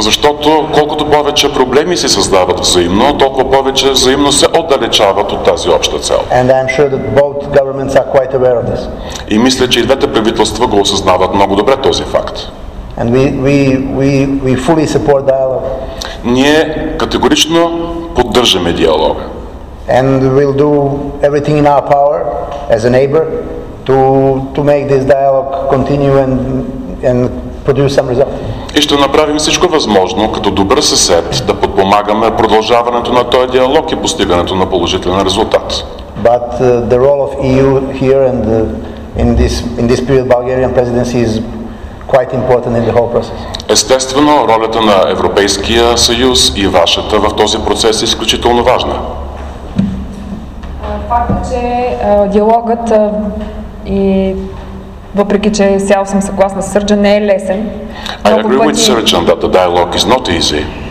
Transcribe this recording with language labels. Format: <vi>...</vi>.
<bg>Защото колкото повече проблеми се създават взаимно, толкова повече взаимно се отдалечават от тази обща цел.</bg> <en>And I'm sure that both governments are quite aware of this.</en> <bg>И мисля, че и двете правителства го осъзнават много добре този факт.</bg> <en>And we fully support dialogue.</en> <bg>Ние категорично поддържаме диалога.</bg> <en>And we'll do everything in our power as a neighbor to make this dialogue continue and produce some result.</en> <bg>И ще направим всичко възможно като добър съсед да подпомагаме продължаването на този диалог и постигането на положителен резултат.</bg> <en>But the role of EU here and in this period Bulgarian presidency is quite important in the whole process.</en> <bg>Естествено, ролята на Европейския съюз и вашата в този процес е изключително важна. Факт, че диалогът и въпреки, че сяло съм съгласна с Сърджан, не е лесен.</bg> <en>I agree with Сърджан that the dialogue is not easy.</en>